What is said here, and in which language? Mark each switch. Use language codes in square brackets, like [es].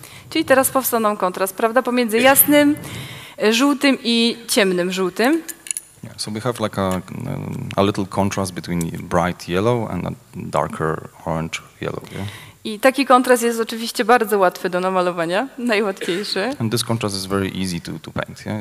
[pl] Czyli teraz powstał nam kontrast, prawda, pomiędzy jasnym żółtym i ciemnym żółtym. [en] Yeah, so we have like a little contrast between bright yellow and a darker orange yellow. Yeah? [pl] I taki kontrast jest oczywiście bardzo łatwy do namalowania, najłatwiejszy. [en] And this contrast is very easy to paint, yeah?